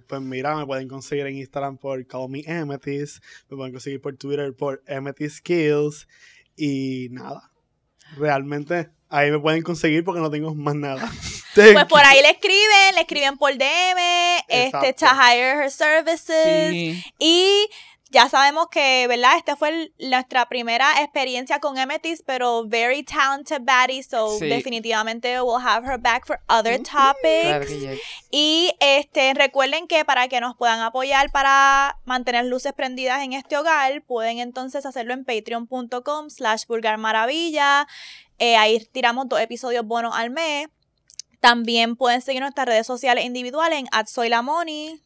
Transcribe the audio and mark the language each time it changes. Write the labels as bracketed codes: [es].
[es] Pues mira, me pueden conseguir en Instagram por Call Me Amethyst, me pueden conseguir por Twitter por Amethyst Skills, y nada, realmente ahí me pueden conseguir porque no tengo más nada. Pues por ahí le escriben por DM, [en] to hire her services, [es] sí. Y... ya sabemos que, ¿verdad? Esta fue nuestra primera experiencia con Amethyst, pero [en] very talented baddie, so [es] sí. Definitivamente [en] we'll have her back for other topics. [es] Y recuerden que para que nos puedan apoyar para mantener luces prendidas en este hogar, pueden entonces hacerlo en patreon.com/vulgarmaravilla. Ahí tiramos dos episodios bonos al mes. También pueden seguir nuestras redes sociales individuales en @soylamoni.